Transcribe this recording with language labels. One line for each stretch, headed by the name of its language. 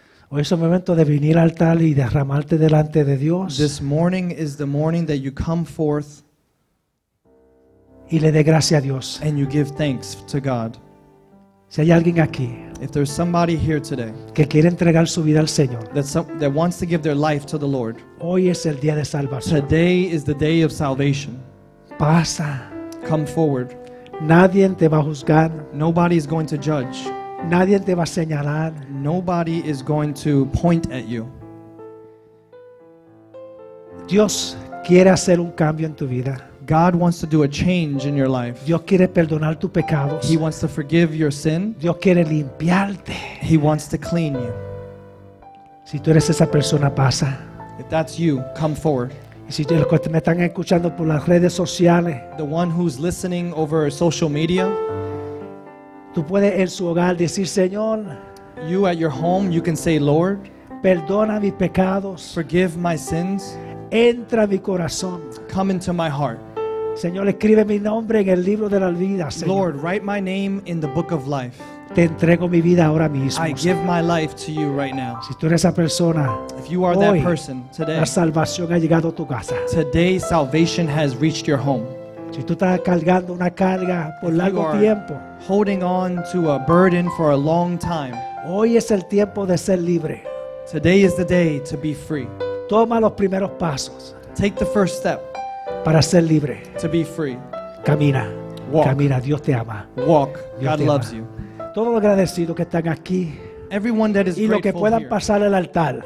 Spanish: hoy es el momento de venir al altar y derramarte delante de Dios.
English: This morning is the morning that you come forth
Spanish: y le dé gracias a Dios.
English: And you give thanks to God.
Spanish: Si hay alguien aquí,
English: if there's somebody here today
Spanish: que quiere entregar su vida al Señor,
English: that wants to give their life to the Lord,
Spanish: hoy es el día de salvación.
English: Today is the day of salvation.
Spanish: Pasa.
English: Come forward.
Spanish: Nadie te va a juzgar.
English: Nobody is going to judge.
Spanish: Nadie te va a señalar.
English: Nobody is going to point at you.
Spanish: Dios quiere hacer un cambio en tu vida.
English: God wants to do a change in your life.
Spanish: Dios quiere perdonar tus pecados.
English: He wants to forgive your sin.
Spanish: Dios quiere limpiarte.
English: He wants to clean you.
Spanish: Si tú eres esa persona, pasa.
English: If that's you, come forward.
Spanish: Y si los que me están escuchando por las redes sociales,
English: the one who's listening over social media,
Spanish: tú puedes en su hogar decir, Señor,
English: you at your home, you can say, Lord,
Spanish: perdona mis pecados.
English: Forgive my sins.
Spanish: Entra mi corazón.
English: Come into my heart.
Spanish: Señor, escribe mi nombre en el libro de la vida, Señor.
English: Lord, write my name in the book of life.
Spanish: Te entrego mi vida ahora mismo.
English: I give my life to you right now.
Spanish: Si tú eres esa persona,
English: if you are
Spanish: hoy,
English: that person today,
Spanish: la salvación ha llegado a tu casa.
English: Today salvation has reached your home.
Spanish: Si tú estás cargando una carga por largo tiempo,
English: holding on to a burden for a long time,
Spanish: hoy es el tiempo de ser libre.
English: Today is the day to be free.
Spanish: Toma los primeros pasos.
English: Take the first step.
Spanish: Para ser libre.
English: To be free.
Spanish: Camina.
English: Walk.
Spanish: Camina. Dios te ama.
English: Walk. God loves you.
Spanish: Todos los agradecidos que están aquí.
English: Everyone that is
Spanish: y los que puedan pasar al altar.